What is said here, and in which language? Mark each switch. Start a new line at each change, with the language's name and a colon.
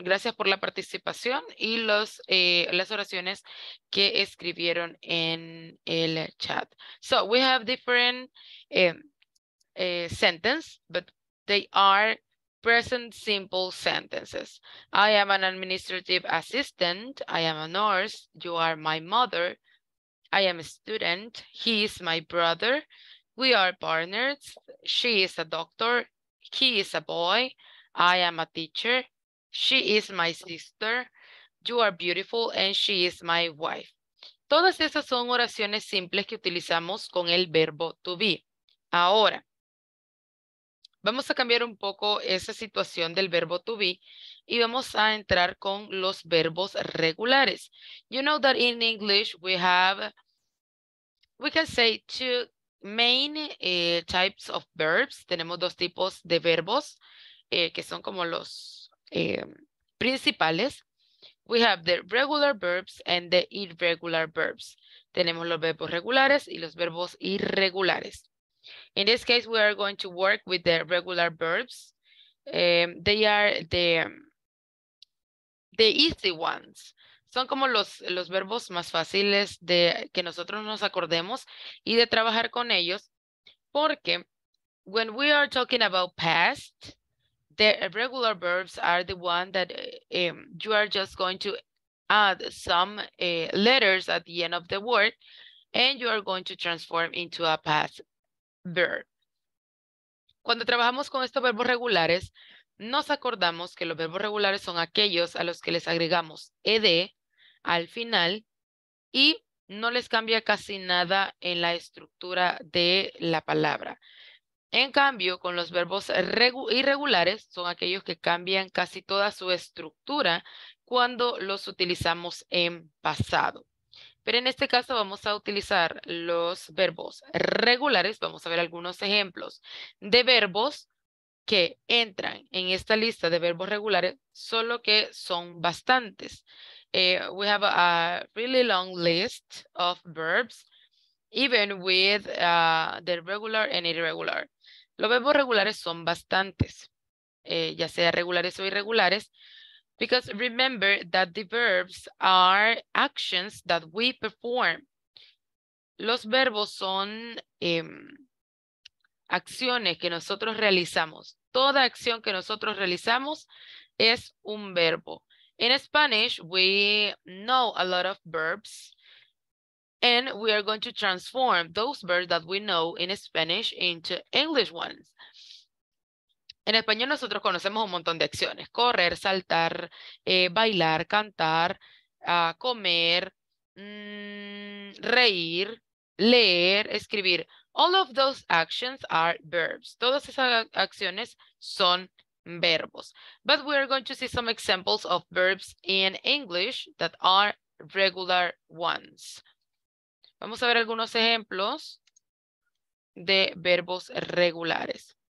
Spanish: Gracias por la participación y los las oraciones que escribieron en el chat.
English: So we have different sentences, but they are present simple sentences. I am an administrative assistant. I am a nurse. You are my mother. I am a student. He is my brother. We are partners. She is a doctor. He is a boy. I am a teacher. She is my sister. You are beautiful and she is my wife.
Spanish: Todas esas son oraciones simples que utilizamos con el verbo to be. Ahora, vamos a cambiar un poco esa situación del verbo to be y vamos a entrar con los verbos regulares.
English: You know that in English we can say two main types of verbs.
Spanish: Tenemos dos tipos de verbos que son como los principales.
English: We have the regular verbs and the irregular verbs.
Spanish: Tenemos los verbos regulares y los verbos irregulares.
English: In this case, we are going to work with the regular verbs. They are the easy ones.
Spanish: Son como los verbos más fáciles de que nosotros nos acordemos y de trabajar con ellos. Porque
English: when we are talking about past, the irregular verbs are the one that you are just going to add some letters at the end of the word and you are going to transform into a past verb.
Spanish: Cuando trabajamos con estos verbos regulares, nos acordamos que los verbos regulares son aquellos a los que les agregamos ed al final y no les cambia casi nada en la estructura de la palabra. En cambio, con los verbos irregulares, son aquellos que cambian casi toda su estructura cuando los utilizamos en pasado. Pero en este caso vamos a utilizar los verbos regulares. Vamos a ver algunos ejemplos de verbos que entran en esta lista de verbos regulares, solo que son bastantes.
English: We have a really long list of verbs, even with the regular and irregular.
Spanish: Los verbos regulares son bastantes, ya sea regulares o irregulares,
English: because remember that the verbs are actions that we perform.
Spanish: Los verbos son acciones que nosotros realizamos. Toda acción que nosotros realizamos es un verbo.
English: In Spanish, we know a lot of verbs. And we are going to transform those verbs that we know in Spanish into English ones.
Spanish: En español nosotros conocemos un montón de acciones. Correr, saltar, bailar, cantar, comer, reír, leer, escribir.
English: All of those actions are verbs.
Spanish: Todas esas acciones son verbos.
English: But we are going to see some examples of verbs in English that are regular ones.
Spanish: Vamos a ver algunos ejemplos de verbos regulares.